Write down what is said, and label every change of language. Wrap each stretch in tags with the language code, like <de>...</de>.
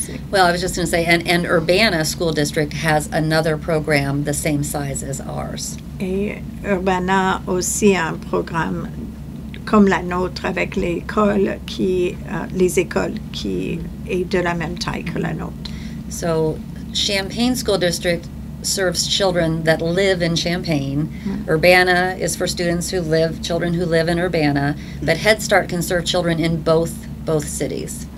<en>Well, I was just going to say, and Urbana School District has another program the same size as ours.</en> <fr>Et Urbana aussi a un programme comme la nôtre avec l'école qui, les écoles qui est de la même taille que la nôtre.</fr> <en>So, Champaign School District serves children that live in Champaign. Mm-hmm. Urbana is for students who live, children who live in Urbana, but Head Start can serve children in both cities.</en>